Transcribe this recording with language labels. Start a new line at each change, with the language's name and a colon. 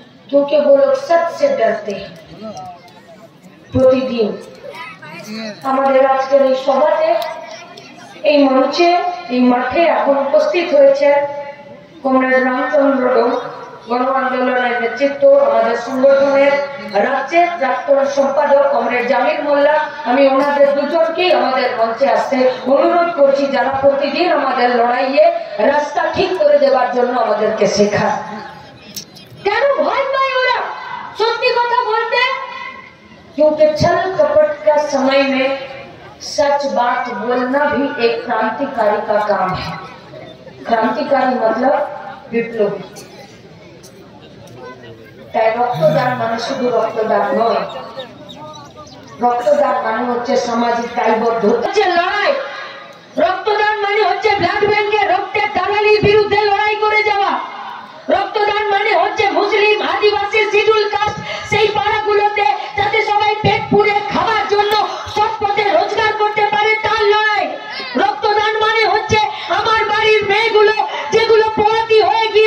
Bangla: তোকে বলো সবসে ডরতে প্রতিদিন আমাদের আজকের এই সভাতে, এই মঞ্চে, এই মাঠে এখন উপস্থিত হয়েছে কমরেড রামচন্দ্র গণ আন্দোলনের নেতৃত্ব, আমাদের সংগঠনের রাজ্যের প্রাক্তন সম্পাদক কমরেড জামিল মোল্লা, আমি ওনাদের দুজনকেই আমাদের মঞ্চে আসতে অনুরোধ করছি, যারা প্রতিদিন আমাদের লড়াইয়ে রাস্তা ঠিক করে দেবার জন্য আমাদেরকে শেখা। কেন ভয় পায় ওরা সত্যি কথা বলতে?
Hindi: क्योंकि छल कपट का समय में सच बात बोलना भी एक क्रांतिकारी का काम है। क्रांतिकारी मतलब विप्लवी।
Bangla: তাই রক্তদান মানে শুধু রক্তদান নয়, রক্তদান মানে হচ্ছে সামাজিক দায়বদ্ধ হচ্ছে লড়াই, রক্তদান মানে হচ্ছে ব্লাড ব্যাংকের রক্তের দালালির বিরুদ্ধে লড়াই করে যাওয়া, রক্তদান মানে হচ্ছে মুসলিম আদিবাসী সিডুল কাস্ট সেই পাড়াগুলোতে যাতে সবাই পেট পুরে খাবার জন্য সৎপথে রোজগার করতে পারে তার লড়াই। রক্তদান মানে হচ্ছে আমার বাড়ির মেয়েগুলো যেগুলো পোয়াতি হয়ে